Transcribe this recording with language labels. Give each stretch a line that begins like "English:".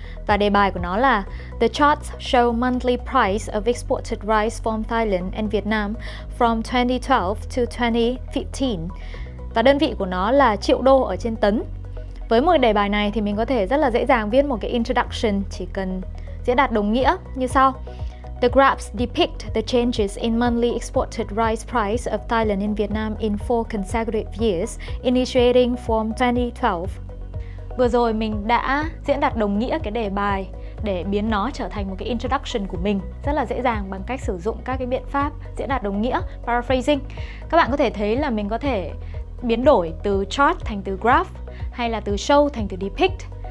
Vietnamese: Và đề bài của nó là
English: The charts show monthly price of exported rice from Thailand and Vietnam from 2012 to 2015.
Vietnamese: Và đơn vị của nó là triệu đô ở trên tấn. Với một đề bài này thì mình có thể rất là dễ dàng viết một cái introduction, chỉ cần diễn đạt đồng nghĩa như sau.
English: The graphs depict the changes in monthly exported rice price of Thailand and Vietnam in 4 consecutive years, initiating from 2012.
Vietnamese: Vừa rồi mình đã diễn đạt đồng nghĩa cái đề bài để biến nó trở thành một cái introduction của mình rất là dễ dàng bằng cách sử dụng các cái biện pháp diễn đạt đồng nghĩa, paraphrasing. Các bạn có thể thấy là mình có thể biến đổi từ chart thành từ graph hay là từ show thành từ depict.